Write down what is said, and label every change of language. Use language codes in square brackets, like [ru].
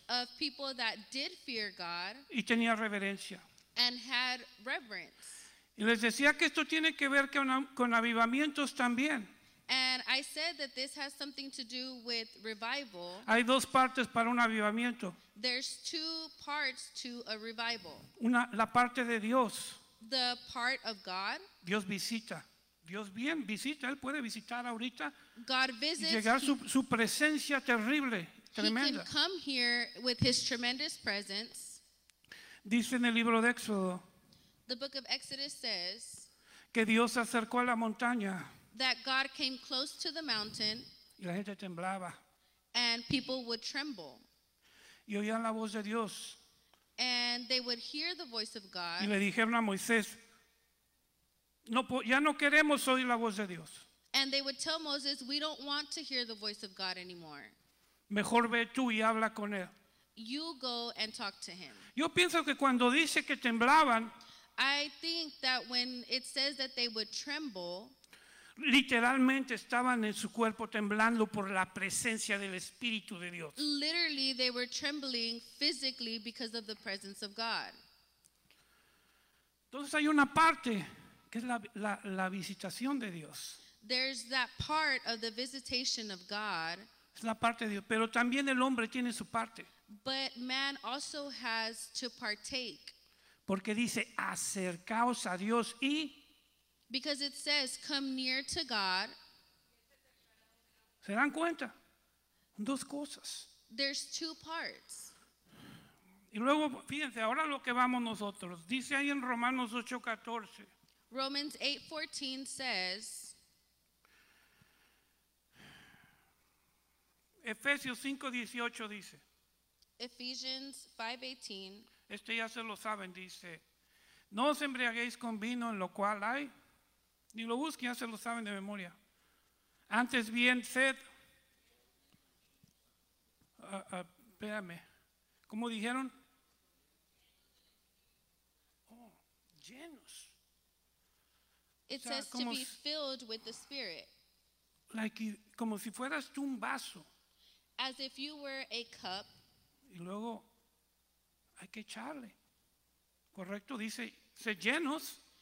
[en] Of people that did fear God. [es] Y tenía reverencia. [en] And had reverence. [es] Y les decía que esto tiene que ver con avivamientos también. [en] And I said that this has something to do with revival. [es] Hay dos partes para un avivamiento. [en] There's two parts to a revival. [es] Una, la parte de Dios. [en] The part of God. [es] Dios visita. Dios bien visita. Él puede visitar ahorita. [en] God visits. [es] Y llegar su presencia terrible, tremenda. [en] He can come here with his tremendous presence. [es] Dice en el libro de Éxodo. [en] The book of Exodus says. [es] Que Dios se acercó a la montaña. [en] That God came close to the mountain. [es] Y la gente temblaba. [en] And people would tremble. [es] Y oían la voz de Dios. [en] And they would hear the voice of God. [es] Y le dijeron a Moisés, ya no queremos oír la voz de Dios. [en] And they would tell Moses, we don't want to hear the voice of God anymore. [es] Mejor ve tú y habla con él. [en] You go and talk to him. [es] Yo pienso que cuando dice que temblaban, [en] I think that when it says that they would tremble, [es] literalmente estaban en su cuerpo temblando por la presencia del Espíritu de Dios. [en] Literally, they were trembling physically because of the presence of God. [es] Entonces hay una parte que es la visitación de Dios. [en] There's that part of the visitation of God. [es] Es la parte de Dios, pero también el hombre tiene su parte. [en] But man also has to partake. [es] Porque dice, acercaos a Dios y [en] because it says, come near to God. [es] ¿Se dan cuenta? Dos cosas. [en] There's two parts. [es] Y luego, fíjense, ahora lo que vamos nosotros. Dice ahí en Romanos 8:14. [en] Romans 8:14 says. [es] Efesios 5:18 dice. [en] Ephesians 5:18. [es] Este ya se lo saben, dice. No os embriaguéis con vino en lo cual hay. Ni lo busquen, ya se lo saben de memoria. Antes bien, sed. Espérame. ¿Cómo dijeron? Llenos. [en] It says to be filled with the Spirit. [es] Like, como si fueras tú un vaso. [en] As if you were a cup. [es] Y luego hay que echarle. Correcto, dice, se llenos.